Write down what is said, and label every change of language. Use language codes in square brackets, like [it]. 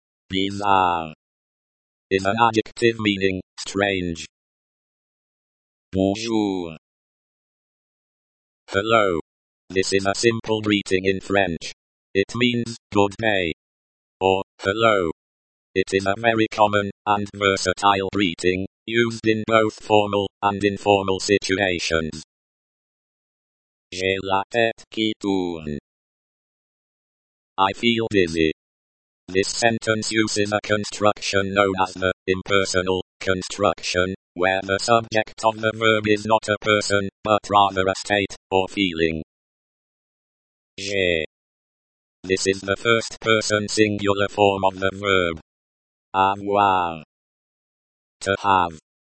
[en] Bizarre is an adjective meaning strange. Bonjour. Hello. This is a simple greeting in French. It means good day or hello. It is a very common and versatile greeting, used in both formal and informal situations. [fr] J'ai la tête qui tourne. [en] I feel dizzy. This sentence uses a construction known as the impersonal construction, where the subject of the verb is not a person, but rather a state or feeling. J'ai. This is the first person singular form of the verb avoir. To have.